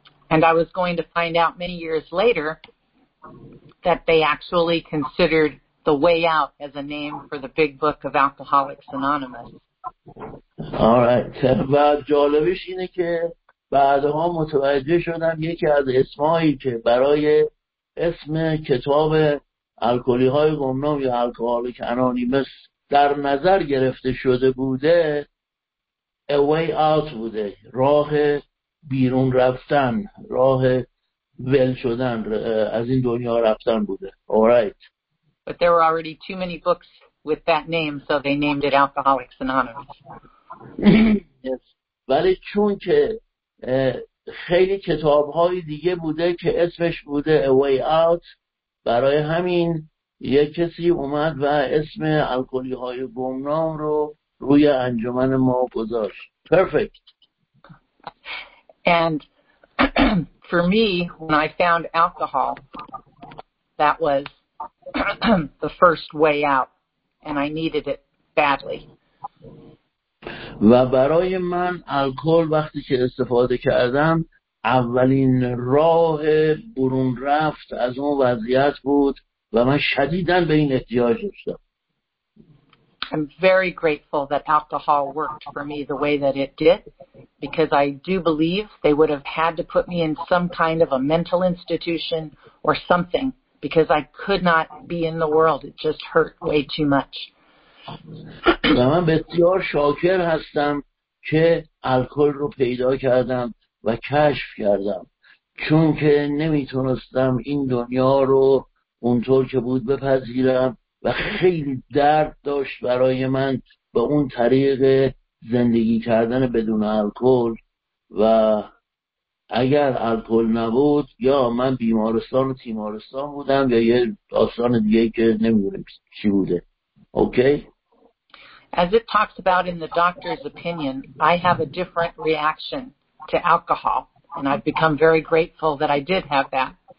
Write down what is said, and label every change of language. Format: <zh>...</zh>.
<en>And I was going to find out many years later that they actually considered The Way Out as a name for the big book of Alcoholics Anonymous. All right.</en> <fa>و جالبش اینه که بعدها متوجه شدم یکی از اسمایی که برای اسم کتاب الکلی های گمنام یا الکوهالیک انانیمس در نظر گرفته شده بوده A Way Out بوده، راه بیرون رفتن، راه ول شدن از این دنیا رفتن بوده.</fa> <en>All right. But there were already too many books with that name, so they named it Alcoholics Anonymous. Yes.</en> <fa>ولی چون که خیلی کتاب‌های دیگه بوده که اسمش بوده A Way Out، برای همین یک کسی اومد و اسم الکلی‌های گمنام رو روی انجمن ما گذاشت.</fa> <en>Perfect. And for me, when I found alcohol, that was the first way out, and I needed it badly.</en> <fa>و برای من الکل وقتی که استفاده کردم اولین راه برون رفت از اون وضعیت بود و من شدیداً به این احتیاج داشتم.</fa> <en>I'm very grateful that alcohol worked for me the way that it did, because I do believe they would have had to put me in some kind of a mental institution or something, because I could not be in the world. It just hurt way too much.</en> <fa>و من بسیار شاکر هستم که الکل رو پیدا کردم و کشف کردم، چون که نمیتونستم این دنیا رو اونطور که بود بپذیرم و خیلی درد داشت برای من به اون طریق زندگی کردن بدون الکل. و اگر الکل نبود، یا من بیمارستان و تیمارستان بودم یا یه داستان دیگه که نمیدونم چی بوده.</fa> <en>Okay? As it talks about in the doctor's opinion, I have a different reaction to alcohol, and I've become very grateful that I did have that.</en>